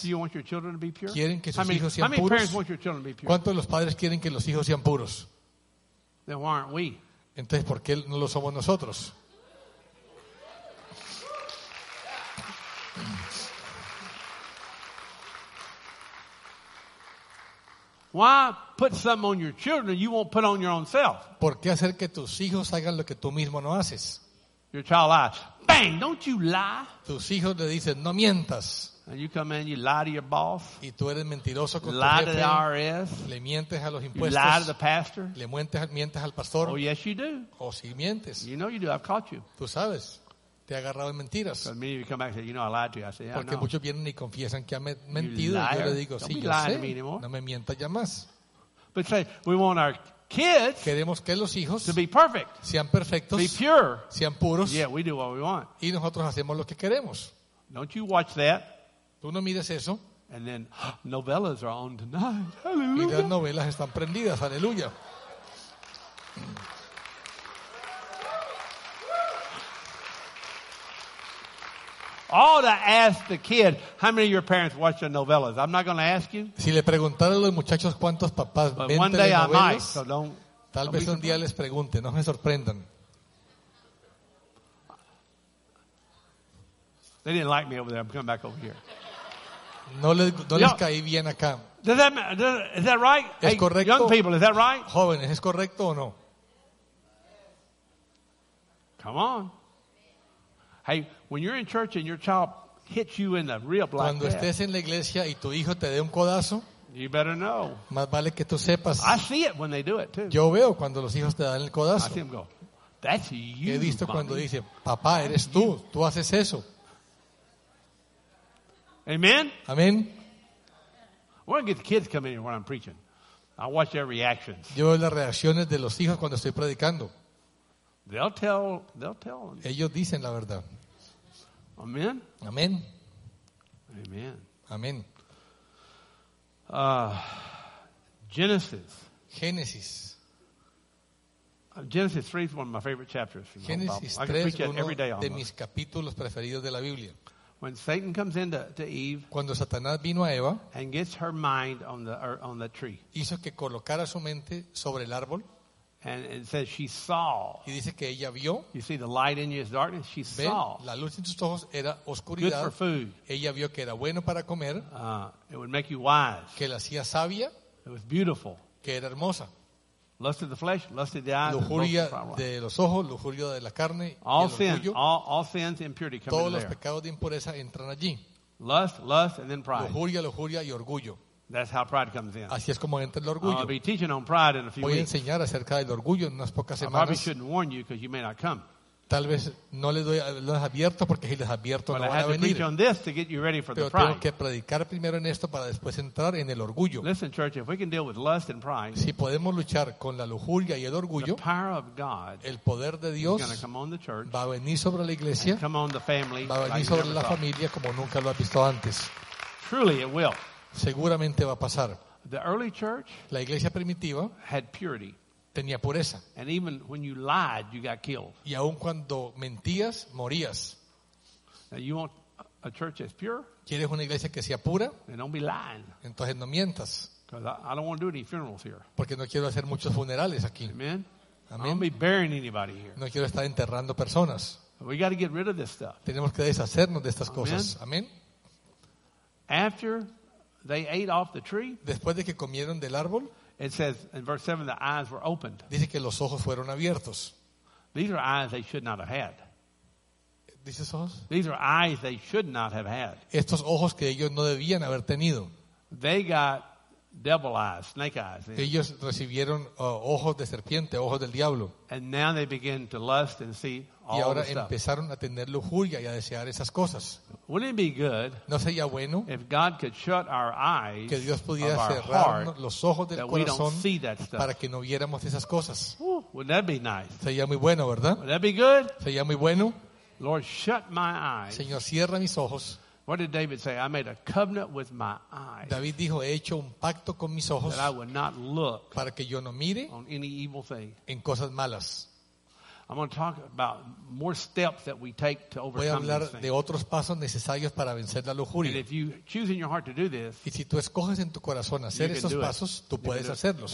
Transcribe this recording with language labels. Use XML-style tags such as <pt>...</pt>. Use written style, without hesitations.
<en>do you want your children to be pure?</en> <es>¿Quieren que sus</es> <en>how many,</en> <es>hijos sean puros?</es> <en>How many parents want your children to be pure?</en> <es>¿Cuántos de los padres quieren que los hijos sean puros?</es> <en>Then why aren't we?</en> <es>Entonces, ¿por qué no lo somos nosotros?</es> <en>Why put something on your children you won't put on your own self?</en> <es>¿Por qué hacer que tus hijos hagan lo que tú mismo no haces?</es> <en>Your child lies. Bang! Don't you lie.</en> <es>Tus hijos le dicen, no mientas.</es> <en>And you come in, you lie to your boss.</en> <es>Y tú eres mentiroso con</es> <en>lie</en> <es>tu jefe,</es> <en>to the IRS.</en> <es>Le mientes a los impuestos.</es> <en>You lie to the pastor.</en> <es>Le mientes al pastor.</es> <en>Oh yes, you do.</en> <es>O si mientes.</es> <en>You know you do. I've caught you.</en> <es>Tú sabes. Te he agarrado en mentiras.</es> <en>Because many of you come back and say, you know, I lied to you. I say, yeah,</en> <es>porque</es> <en>no.</en> <es>Muchos vienen y confiesan que han mentido. Y yo le digo,</es> <en>don't</en> <es>sí,</es> <en>be</en> <es>yo</es> <en>lying</en> <es>sé.</es> <en>To me anymore.</en> <es>No me mientas ya más.</es> <en>But say, we want our kids.</en> <es>Queremos que los hijos</es> <en>to be perfect.</en> <es>Sean perfectos.</es> <en>Be pure.</en> <es>Sean puros.</es> <en>Yeah, we do what we want.</en> <es>Y nosotros hacemos lo que queremos.</es> <en>Don't you watch that?</en> <es>Tú no mires eso.</es> <en>And then novelas are on tonight. Hallelujah.</en> <es>Y las novelas están prendidas. Aleluya.</es> <en>Ought to ask the kid, how many of your parents watch the novelas? I'm not going to ask you.</en> <es>Si le preguntara a los muchachos cuántos papás ven novelas.</es> <en>One day I might. So don't.</en> <es>Tal vez un día les pregunte. No me sorprendan.</es> <en>They didn't like me over there. I'm coming back over here.</en> <es>No les caí bien acá.</es> <en>Is that right?</en> <es>¿Es correcto?</es> <en>Young people, is that right?</en> <es>Jóvenes, ¿es correcto o no?</es> <en>Come on. Hey, when you're in church and your child hits you in the real black</en> <es>cuando estés</es> <en>head,</en> <es>en la iglesia y tu hijo te dé un codazo,</es> <en>you better know.</en> <es>Más vale que tú sepas.</es> <en>I see it when they do it too.</en> <es>Yo veo cuando los hijos te dan el codazo.</es> <en>I see them go, that's you,</en> <es>he visto</es> <en>mommy.</en> <es>Cuando dice, papá, eres tú. Tú haces eso.</es> <en>Amen.</en> <es>Amen.</es> <en>I want to get the kids come in here when I'm preaching. I watch their reactions.</en> <es>Yo veo las reacciones de los hijos cuando estoy predicando.</es> <en>They'll tell.</en> <es>Ellos dicen la verdad.</es> <en>Amen.</en> <es>Amen.</es> <en>Amen.</en> <es>Amen.</es> <en>Genesis.</en> <es>Genesis.</es> <en>Genesis 3 is one of my favorite chapters. Genesis 3 is one</en> <es>de mis capítulos preferidos de la Biblia.</es> <en>When Satan comes into Eve,</en> <es>cuando Satanás vino a Eva,</es> <en>and gets her mind on the tree,</en> <es>hizo que colocara su mente sobre el árbol,</es> <en>and it says she saw.</en> <es>Y dice que ella vio.</es> <en>You see the light in you is darkness. She</en> <es>¿ven?</es> <en>Saw.</en> <es>La luz en tus ojos era oscuridad.</es> <en>Good for food.</en> <es>Ella vio que era bueno para comer.</es> <en>It would make you wise.</en> <es>Que la hacía sabia.</es> <en>It was beautiful.</en> <es>Que era hermosa.</es> <en>Lust of the flesh, lust of the eyes.</en> <es>Lujuria de los ojos, lujuria de la carne.</es> <en>All sins, all sins and impurity come in there.</en> <es>Todos los pecados de impureza entran allí.</es> <en>Lust, and then pride.</en> <es>Lujuria, lujuria y orgullo.</es> <en>That's how pride comes in.</en> <es>Así es como entra el orgullo.</es> <en>I'll be teaching on pride in a few weeks.</en> <es>Voy a enseñar acerca del orgullo en unas pocas semanas.</es> <en>I probably shouldn't warn you because you may not come.</en> <es>Tal vez no les doy, los advierto porque si les advierto</es> <en>but</en> <es>no van a venir.</es> <en>To on this to get you ready for</en> <es>pero</es> <en>the pride.</en> <es>Tengo que predicar primero en esto para después entrar en el orgullo.</es> <en>Listen, church, if we can deal with lust and pride,</en> <es>si podemos luchar con la lujuria y el orgullo,</es> <en>the power of God,</en> <es>el poder de Dios</es> <en>come on the church,</en> <es>va a venir sobre la iglesia,</es> <en>come on the family,</en> <es>va a venir</es> <en>like</en> <es>sobre la</es> <en>thought.</en> <es>Familia como nunca lo has visto antes.</es> <en>Truly it will.</en> <es>Seguramente va a pasar.</es> <en>The early church</en> <es>la iglesia primitiva</es> <en>had purity.</en> <es>Tenía pureza.</es> <en>And even when you lied, you got killed.</en> <es>Y aun cuando mentías, morías.</es> <en>Now you want a church that's pure?</en> <es>¿Quieres una iglesia que sea pura?</es> <en>And don't be lying.</en> <es>Entonces no mientas.</es> <en>Because I don't want to do any funerals here.</en> <es>Porque no quiero hacer muchos funerales aquí.</es> <en>Amen.</en> <es>Amen.</es> <en>I don't be burying anybody here.</en> <es>No quiero estar enterrando personas.</es> <en>We got to get rid of this stuff.</en> <es>Tenemos que deshacernos de estas</es> <en>amen.</en> <es>Cosas. Amen.</es> <en>After They ate off the tree.</en> <es>Después de que comieron del árbol.</es> <en>It says in verse 7 the eyes were opened.</en> <es>Dice que los ojos fueron abiertos.</es> <en>These are eyes they should not have had.</en> <es>¿Dices ojos?</es> <en>These are eyes they should not have had.</en> <es>Estos ojos que ellos no debían haber tenido.</es> <en>They got devil eyes, snake eyes.</en> <es>Ellos recibieron ojos de serpiente, ojos del diablo.</es> <en>And now they begin to lust and see all the stuff.</en> <es>Y ahora empezaron a tener lujuria y a desear esas cosas.</es> <en>Wouldn't it be good?</en> <es>¿No sería bueno?</es> <en>If God could shut our eyes,</en> <es>que Dios pudiera cerrar los ojos del corazón,</es> <en>that we don't see that stuff,</en> <es>para que no viéramos esas cosas.</es> <en>Wouldn't that be nice?</en> <es>Sería muy bueno, ¿verdad?</es> <en>Wouldn't that be good?</en> <es>Sería muy bueno.</es> <en>Lord, shut my eyes.</en> <es>Señor, cierra mis ojos.</es> <en>What did David say? I made a covenant with my eyes.</en> <es>David dijo, he hecho un pacto con mis ojos.</es> <en>That I would not look,</en> <es>para que yo no mire,</es> <en>on any evil thing.</en> <es>En cosas malas.</es> <en>I'm going to talk about more steps that we take to overcome.</en> <es>Voy a hablar de otros pasos necesarios para vencer la lujuria.</es> <en>And if you choose in your heart to do this,</en> <es>y si tú escoges en tu corazón hacer esos pasos, tú puedes hacerlos.</es>